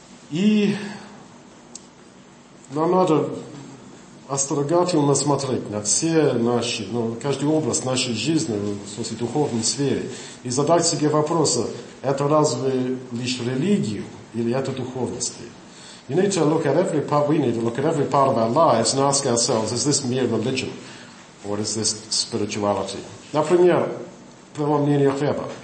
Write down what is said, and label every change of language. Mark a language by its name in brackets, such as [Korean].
[Russian] И нам надо осторожательно смотреть на все наши, ну, каждый образ нашей жизни, в смысле, духовной сфере, и задать себе вопрос, это разве лишь религию или это духовность? [English] You need to look at every part, we need to look at every part of our lives and ask ourselves, is this mere religion or is this spirituality? [Russian] Например, преломление хлеба.